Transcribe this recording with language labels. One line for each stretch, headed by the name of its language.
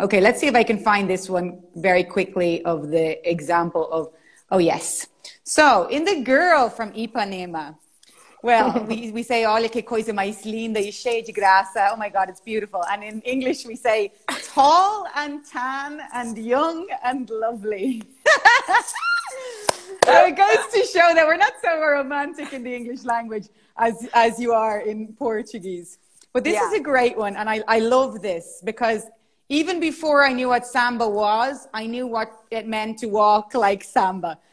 English: Okay, let's see if I can find this one very quickly of the example of yes. So in the girl from Ipanema. Well, we say
Portuguese: olha que coisa mais linda e cheia de graça.
English: Oh my God, it's beautiful. And in English, we say tall and tan and young and lovely. So it goes to show that we're not so romantic in the English language as you are in Portuguese. But this is a great one. And I love this because even before I knew what samba was, I knew what it meant to walk like samba.